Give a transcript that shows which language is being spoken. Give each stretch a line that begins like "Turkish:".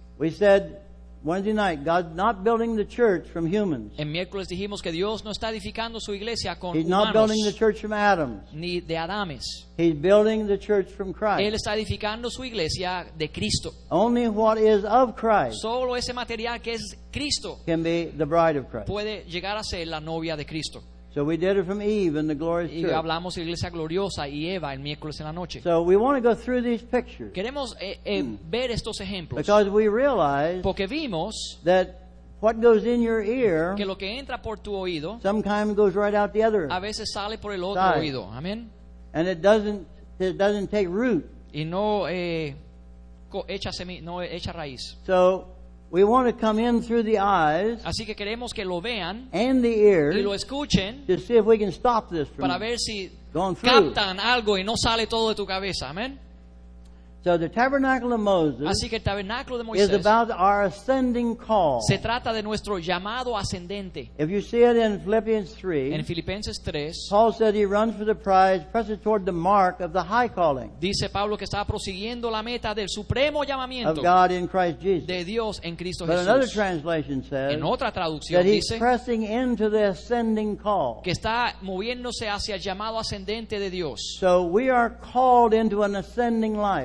English: We said Wednesday night, God's not building the church from humans.
Spanish: En miércoles dijimos que Dios no está edificando su iglesia con
English: He's
Spanish: humanos.
English: He's not building the church from Adams.
Spanish: Ni de Adames.
English: He's building the church from Christ.
Spanish: Él está edificando su iglesia de Cristo.
English: Only what is of Christ.
Spanish: Solo ese material que es Cristo.
English: Can be the bride of Christ.
Spanish: Puede llegar a ser la novia de Cristo.
English: So we did it from Eve in the glorious church.
Spanish: Y hablamos de iglesia gloriosa y Eva el miércoles en la noche.
English: So we want to go through these pictures.
Spanish: Queremos ver estos ejemplos.
English: Because we realize
Spanish: porque vimos
English: that what goes in your ear
Spanish: que lo que entra por tu oído
English: sometimes goes right out the other
Spanish: a veces sale por el otro
English: side.
Spanish: Oído. Amen.
English: And it doesn't take root.
Spanish: Y no echa semilla, no echa raíz.
English: So we want to come in through the eyes
Spanish: así que queremos que lo vean
English: and the ears
Spanish: y lo escuchen
English: to see if we can stop this from
Spanish: para ver si
English: going through.
Spanish: Captan algo y no sale todo de tu cabeza.
English: Amen. So the tabernacle of Moses
Spanish: así que el tabernáculo de Moisés
English: is about our ascending call.
Spanish: Se trata de nuestro llamado ascendente.
English: If you see it in Philippians 3,
Spanish: en Filipenses 3,
English: Paul said he runs for the prize, presses toward the mark of the high calling.
Spanish: Dice Pablo que estaba prosiguiendo la meta del supremo llamamiento
English: of God in Christ Jesus.
Spanish: De Dios en Cristo
English: but
Spanish: Jesús.
English: Another translation says
Spanish: en otra traducción
English: that he's
Spanish: dice
English: pressing into the ascending call.
Spanish: Que está moviéndose hacia el llamado ascendente de Dios.
English: So we are called into an ascending life.